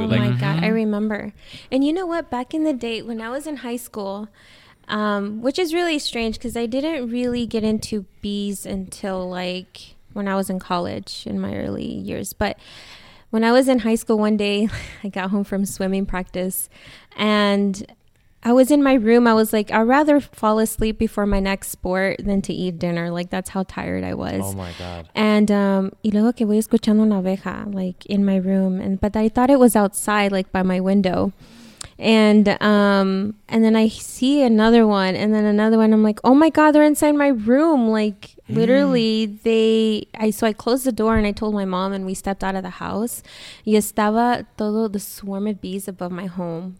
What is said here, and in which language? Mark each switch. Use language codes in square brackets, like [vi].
[en] Oh like, my God, I remember. And you know what? Back in the day, when I was in high school, which is really strange because I didn't really get into bees until like when I was in college in my early years. But when I was in high school one day, I got home from swimming practice and I was in my room. I was like, I'd rather fall asleep before my next sport than to eat dinner. Like, that's how tired I was. Oh, my God. [es] And, y luego que voy escuchando una abeja, [en] like, in my room. But I thought it was outside, like, by my window. And then I see another one and then another one. I'm like, oh my God, they're inside my room. Like literally so I closed the door and I told my mom and we stepped out of the house. [es] Y estaba todo [en] the swarm of bees above my home.